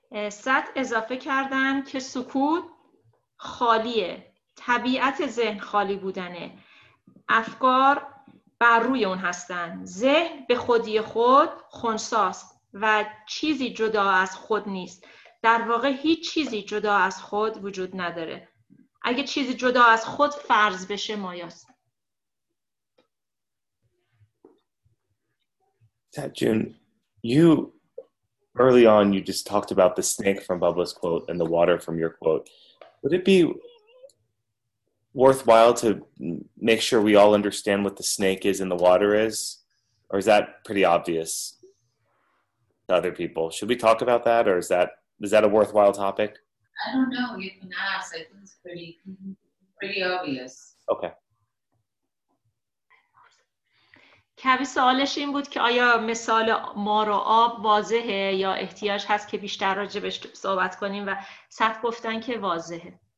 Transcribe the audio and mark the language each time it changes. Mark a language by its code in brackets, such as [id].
[fa] صد اضافه کردن که سکوت خالیه، طبیعت ذهن خالی بودنه، افکار بر روی اون هستن، ذهن به خودی خود خنثاست و چیزی جدا از خود نیست. در واقع هیچ چیزی جدا از خود وجود نداره. اگه چیزی جدا از خود فرض بشه مایاست. [en] تا جون، you early on, you just talked about the snake from Bubba's quote and the water from your quote. Would it be worthwhile to make sure we all understand what the snake is and the water is? Or is that pretty obvious to other people? Should we talk about that? Or is that a worthwhile topic? I don't know. You can ask. I think it's pretty obvious. Okay. [fa] کبی سوالش این بود که آیا مثال مار و آب واضحه یا احتیاج هست که بیشتر راجبش صحبت کنیم و صد گفتن که واضحه.